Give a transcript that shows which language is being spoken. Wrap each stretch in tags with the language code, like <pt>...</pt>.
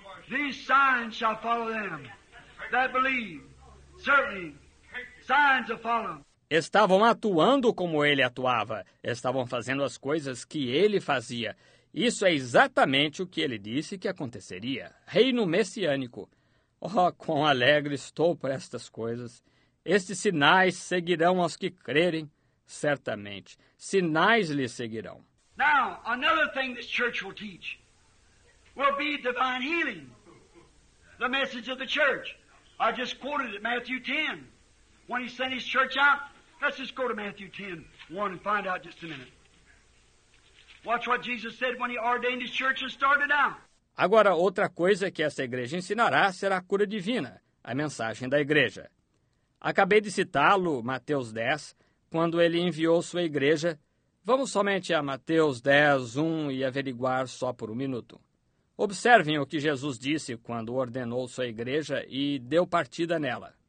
<en>These signs shall follow them that believe. Certainly, signs will follow.</en> <pt>Estavam atuando como Ele atuava. Estavam fazendo as coisas que Ele fazia. Isso é exatamente o que Ele disse que aconteceria. Reino messiânico. Oh, quão alegre estou por estas coisas. Estes sinais seguirão aos que crerem, certamente. Sinais lhe seguirão.</pt> <en>Now, another thing this church will teach will be divine healing. The message of the church. I just quoted it, Matthew 10. When He sent His church out, let's just go to Matthew 10, 1 and find out just a minute. Watch what Jesus said when He ordained His church and started out.</en> <pt>Agora, outra coisa que essa igreja ensinará será a cura divina, a mensagem da igreja. Acabei de citá-lo, Mateus 10, quando Ele enviou sua igreja. Vamos somente a Mateus 10, 1 e averiguar só por um minuto. Observem o que Jesus disse quando ordenou sua igreja e deu partida nela.</pt>